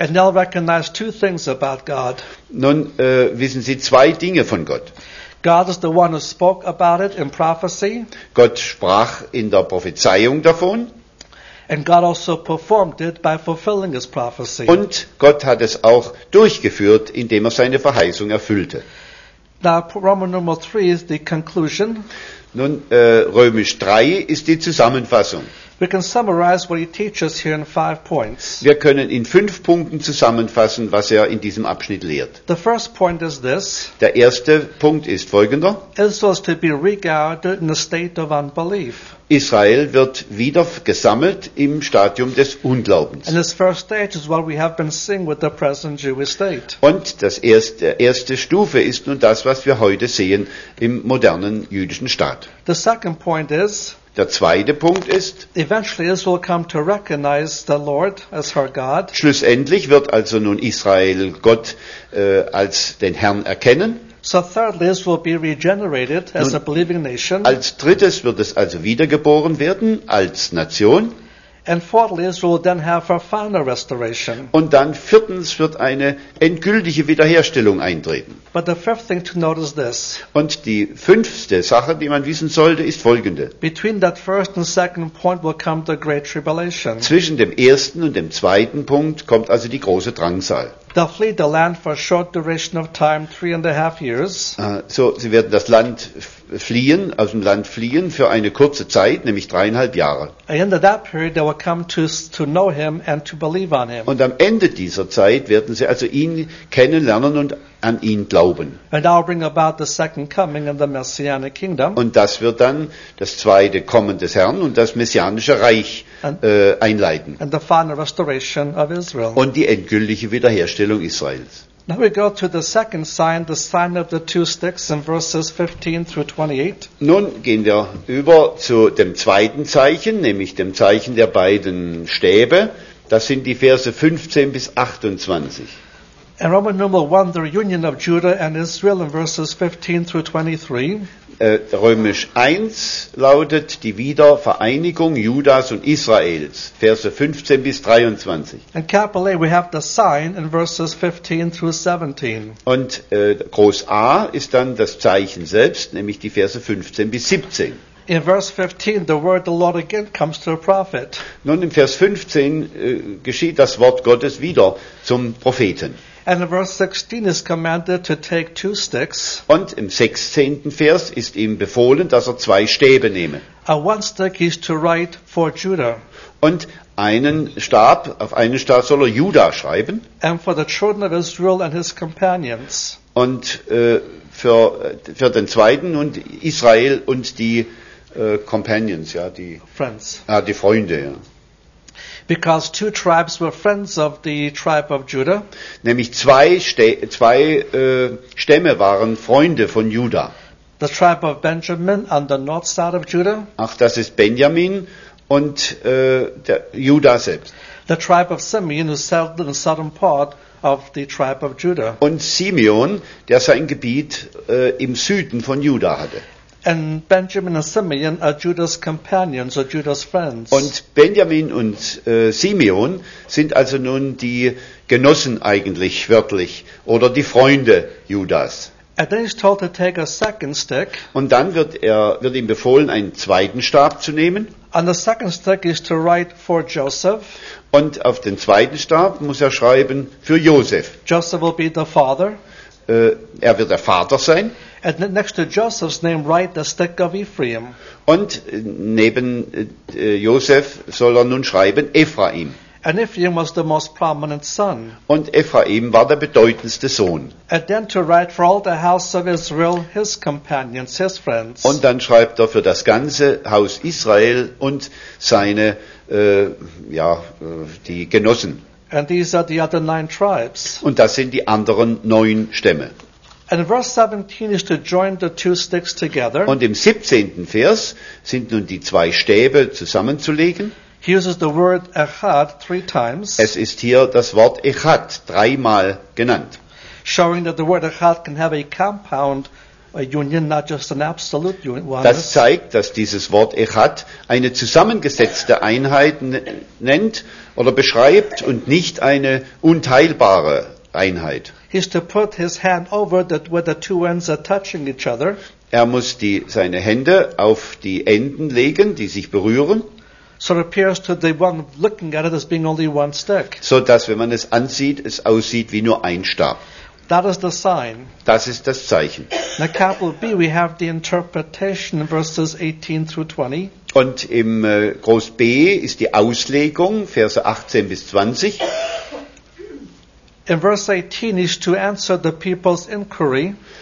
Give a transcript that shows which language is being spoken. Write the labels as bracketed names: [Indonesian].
[English] And they'll recognize two things about God. [German] Nun wissen Sie zwei Dinge von Gott. [English] God is the one who spoke about it in prophecy. [German] Gott sprach in der Prophezeiung davon. [English] And God also performed it by fulfilling his prophecy. [German] Und Gott hat es auch durchgeführt, indem er seine Verheißung erfüllte. [English] Now, Roman number 3 is the conclusion. [German] Nun, Römisch 3 ist die Zusammenfassung. [English] We can summarize what he teaches here in 5 points. [German] Wir können in 5 Punkten zusammenfassen, was er in diesem Abschnitt lehrt. [English] The first point is this. [German] Der erste Punkt ist folgender. [English] Israel is to be regarded in a state of unbelief. [German] Israel wird wieder gesammelt im Stadium des Unglaubens. [English] And this first stage is what we have been seeing with the present Jewish state. [German] Und das erste Stufe ist nun das, was wir heute sehen im modernen jüdischen Staat. [English] The second point is. [German] Der zweite Punkt ist, [English] eventually Israel come to recognize the Lord as her God. [German] Schlussendlich wird also nun Israel Gott als den Herrn erkennen. [English] So thirdly, Israel will be regenerated as a believing nation. [German] Als drittes wird es also wiedergeboren werden als Nation. [English] And fourthly, Israel will then have her final restoration. [German] Und dann viertens wird eine endgültige Wiederherstellung eintreten. [English] But the fifth thing to note is this. [German] Und die fünfte Sache, die man wissen sollte, ist folgende. [English] Between that first and second point will come the great tribulation. [German] Zwischen dem ersten und dem zweiten Punkt kommt also die große Drangsal. [English] They'll flee the land for a short duration of time, 3.5 years. [German] So, sie werden das Land fliehen, aus dem Land fliehen für eine kurze Zeit, nämlich 3.5 Jahre. [English] At the end of that period, they will come to know him and to believe on him. [German] Und am Ende dieser Zeit werden sie also ihn kennenlernen und an ihn glauben. [English] And that will bring about the second coming of the messianic kingdom. [German] Und das wird dann das zweite Kommen des Herrn und das messianische Reich einleiten. [English] And the final restoration of Israel. [German] Und die endgültige Wiederherstellung Israels. [English] Now we go to the second sign, the sign of the two sticks in verses 15 through 28. [German] Nun gehen wir über zu dem zweiten Zeichen, nämlich dem Zeichen der beiden Stäbe. Das sind die Verse 15 bis 28. [English] In Roman number 1, the reunion of Judah and Israel in verses 15 through 23. [German] Römisch 1 lautet die Wiedervereinigung Judas und Israels, Verse 15 bis 23. [English] In capital A, we have the sign in verses 15 through 17. [German] Und Groß A ist dann das Zeichen selbst, nämlich die Verse 15 bis 17. [English] In verse 15, the word of the Lord again comes to the prophet. [German] Nun, im Vers 15 geschieht das Wort Gottes wieder zum Propheten. [English] And in verse 16 is commanded to take 2 sticks. [German] Und im 16. Vers ist ihm befohlen, dass er 2 Stäbe nehme. [English] And 1 stick is to write for Judah. [German] Und einen Stab, auf einen Stab soll er Judah schreiben. [English] And for the children of Israel and his companions. [German] Und für den zweiten und Israel und die Companions, ja, die [English] Friends. [German] Die Freunde, ja. [English] Because 2 tribes were friends of the tribe of Judah. [German] Nämlich zwei Stämme waren Freunde von Judah. [English] The tribe of Benjamin on the north side of Judah. [German] Ach, das ist Benjamin und der Judah selbst. [English] The tribe of Simeon, who settled in the southern part of the tribe of Judah. [German] Und Simeon, der sein Gebiet im Süden von Judah hatte. [English] And Benjamin and Simeon are Judah's companions or Judah's friends. [German] Und Benjamin und Simeon sind also nun die Genossen eigentlich wörtlich oder die Freunde Judas. [English] And then he's told to take a second stick. [German] Und dann wird ihm befohlen, einen zweiten Stab zu nehmen. [English] And the second stick is to write for Joseph. [German] Und auf den zweiten Stab muss er schreiben für Joseph. [English] Joseph will be the father. [German] Er wird der Vater sein. [English] And next to Joseph's name, write the stick of Ephraim. [German] Und neben Joseph soll er nun schreiben Ephraim. [English] And Ephraim was the most prominent son. [German] Und Ephraim war der bedeutendste Sohn. [English] And then to write for all the house of Israel, his companions, his friends. [German] Und dann schreibt er für das ganze Haus Israel und seine, die Genossen. [English] And these are the other 9 tribes. [German] Und das sind die anderen 9 Stämme. [English] And verse 17 is to join the 2 sticks together. [German] Und im 17. Vers sind nun die 2 Stäbe zusammenzulegen. [English] He uses the word echad 3 times. [German] Es ist hier das Wort echad 3-mal genannt. [English] Showing that the word echad can have a compound union, not just an absolute one. [German] Das zeigt, dass dieses Wort echad eine zusammengesetzte Einheit nennt oder beschreibt und nicht eine unteilbare Einheit. [English] He is to put his hand over that where the 2 ends are touching each other. [German] Er muss seine Hände auf die Enden legen, die sich berühren. [English] So it appears to the one looking at it as being only one stick. [German] So dass wenn man es ansieht, es aussieht wie nur ein Stab. [English] That is the sign. [German] Das ist das Zeichen. [English] Now capital B, we have the interpretation in verses 18 through 20. [German] Und im Groß B ist die Auslegung, Verse 18 bis 20. [English] In verse 18 is to answer the people's inquiry.